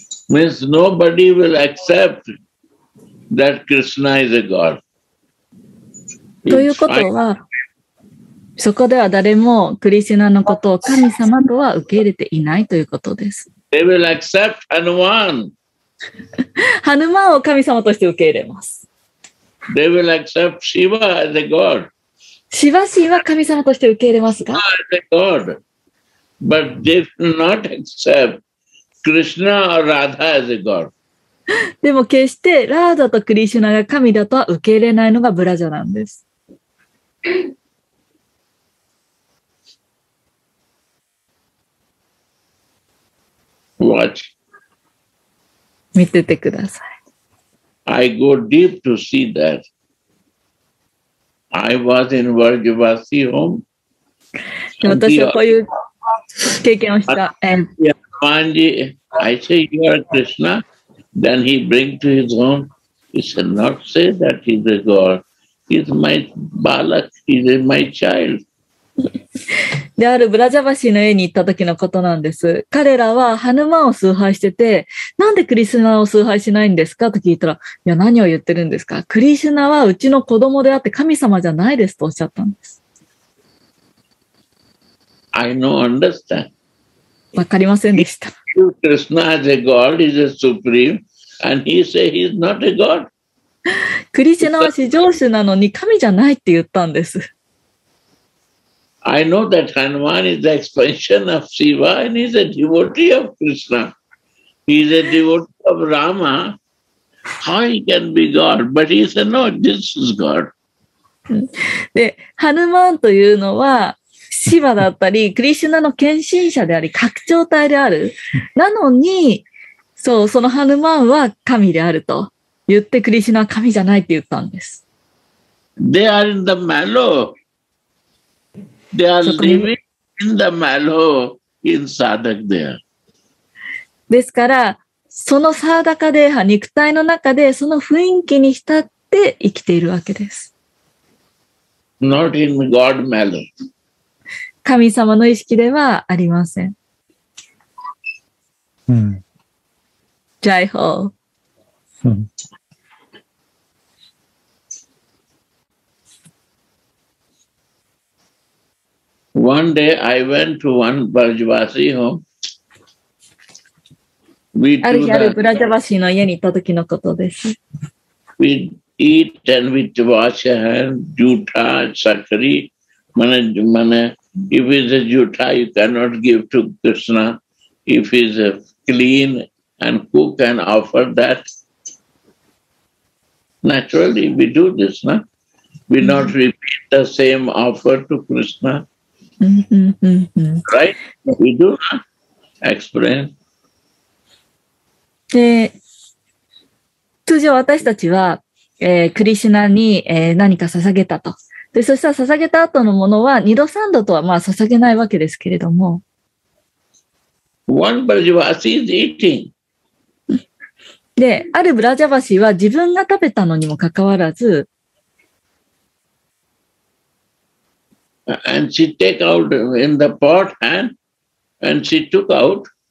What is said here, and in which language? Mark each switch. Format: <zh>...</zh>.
<en>Means nobody will accept that Krishna is a God.</en> <ja>ということは。そこでは誰もクリシュナのことを神様とは受け入れていないということです。</ja> <en>They will accept Hanuman.</en> <ja>ハヌマンを神様として受け入れます。</ja> <en>They will accept Shiva as a god.</en> <ja>シバ神は神様として受け入れますか？</ja> <en>God. But they do not accept Krishna or Radha as a God.</en> <ja>でも決してラーダとクリシュナが神だとは受け入れないのがブラジャなんです。</ja> <en>Watch.</en> <ja>見ててください。</ja> <en>I go deep to see that. I was in Vrajavasi home.</en> <ja>私はこういう経験をした。</ja> <en>Manji, I say you are Krishna. Then he bring to his home. He said, not say that he is a god. He is my balak. He is my child.</en> <ja>であるブラジャバシーの家に行った時のことなんです。彼らはハヌマンを崇拝してて、なんでクリシュナを崇拝しないんですかと聞いたら、いや何を言ってるんですか、クリシュナはうちの子供であって神様じゃないですとおっしゃったんです。</ja> <en>I don't understand.</en> <ja>わかりませんでした。</ja> <en>Krishna is a god, he is a supreme, and he say he is not a god.</en> <ja>クリシュナは至上主なのに神じゃないって言ったんです。</ja> <en>I know that Hanuman is the expansion of Shiva and he is a devotee of Krishna. He is a devotee of Rama. How he can be God? But he said, no, this is God.</en> <ja>で、ハヌマンというのはシヴァだったり、クリシュナの献身者であり、拡張体である。なのに、そう、そのハヌマンは神であると言って、クリシュナは神じゃないって言ったんです。</ja> <en>They are in the mellow. They are living in the mellow in Sadak there.</en> <ja>ですから、そのサーダカデーハ、肉体の中でその雰囲気に浸って生きているわけです。</ja> <en>Not in God mellow.</en> <ja>神様の意識ではありません。 Hmm.</ja> <hi>ジャイホー。</hi> <en>One day I went to one Vrajavasi home. We do</en> <ja>ある日あるブラジャバシーの家に行った時のことです。</ja> <en>We eat and we wash our hands, jutha, sakari. Mane, if it's a jutha, you cannot give to Krishna. If it's a clean and cook and offer that. Naturally, we do this, na? We not repeat the same offer to Krishna. Right? We do not explain.</en> <ja>で、通常私たちは、クリシュナに、何か捧げたと。で、そしたら捧げた後のものは二度三度とはまあ捧げないわけですけれども。</ja> <en>One Brajavasi is eating.</en> <ja>で、あるブラジャバシは自分が食べたのにもかかわらず。</ja> <en>And she take out in the pot and she took out.</en>